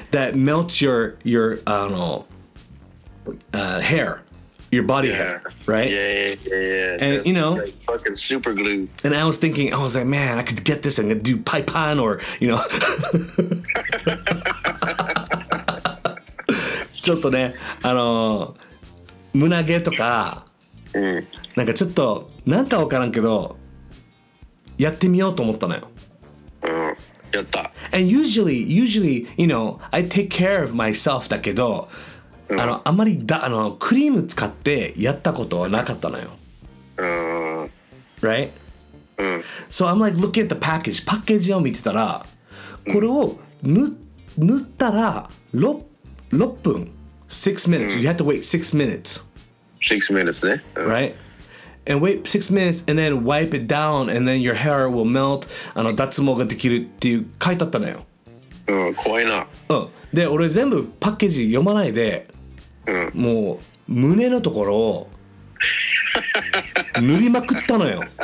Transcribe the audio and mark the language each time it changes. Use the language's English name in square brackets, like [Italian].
[English] That melts your, I don't know,hair, your body hair, right? Yeah. And、 you know, like fucking super glue. And I was thinking, I was like, man, I could get this and do pai pan or, you know. [Japanese] ちょっとね、あの、胸毛とか、なんかちょっと、なんかわからんけど、やってみようと思ったのよ。やった。 [English] And usually, you know, I take care of myself [Japanese] だけど、あの、あまりだ、あの、クリーム使ってやったことはなかったのよ。 [English] Right? So I'm like looking at the package. [Japanese] パッケージを見てたら、これを塗ったら6分。 [English] 6 minutes. You have to wait 6 minutes. 6 minutes ね。 Right? And wait 6 minutes and then wipe it down and then your hair will melt. [Japanese] あの、脱毛ができるっていう書いてあったのよ。うん、怖いな。うん。で、俺全部パッケージ読まないで、もう胸のところを塗りまくったのよ。